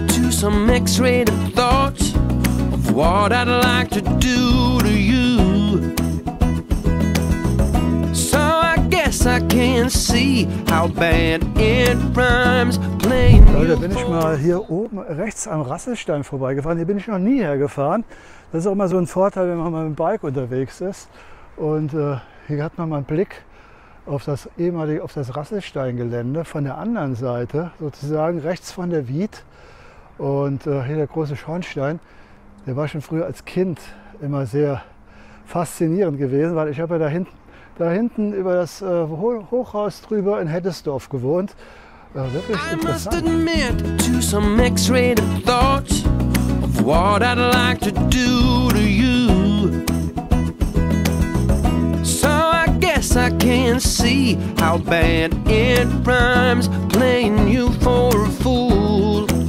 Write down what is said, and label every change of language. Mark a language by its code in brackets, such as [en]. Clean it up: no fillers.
[en] Some X-rated thoughts of what I'd like to do to you. So I guess I can see how bad it rhymes playing. [de] Da bin ich mal hier oben rechts am Rasselstein vorbeigefahren. Hier bin ich noch nie hergefahren. Das ist auch immer so ein Vorteil, wenn man mit dem Bike unterwegs ist. Und hier hat man mal einen Blick auf das Rasselsteingelände von der anderen Seite, sozusagen rechts von der Wied. Und hier der große Schornstein, der war schon früher als Kind immer sehr faszinierend gewesen, weil ich habe ja da hinten über das Hochhaus drüber in Heddesdorf gewohnt. Wirklich interessant. [en] I must admit to some X-rated thoughts of what I'd like to do to you. So I guess I can see how bad it rhymes playing you for a fool.